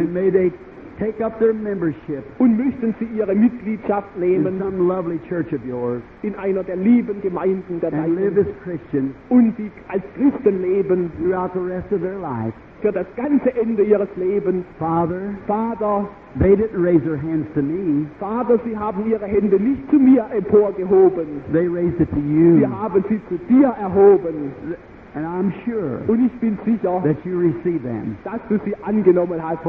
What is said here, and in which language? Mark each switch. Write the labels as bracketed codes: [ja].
[en] And may they take up their membership [de] und möchten sie ihre Mitgliedschaft nehmen [en] in some lovely church of yours [de] in einer der lieben Gemeinden der deinen [en] and live as Christians [de] und sie als Christen leben [en] throughout the rest of their life [de] für das ganze Ende ihres Lebens. [en] Father, they didn't raise their hands to me. [de] Vater, sie haben ihre Hände nicht zu mir emporgehoben. [en] They raised it to you. [de] Sie haben sie zu dir erhoben. [en] And I'm sure [de] und ich bin sicher, [en] that you receive them. [de] Dass du sie angenommen hast.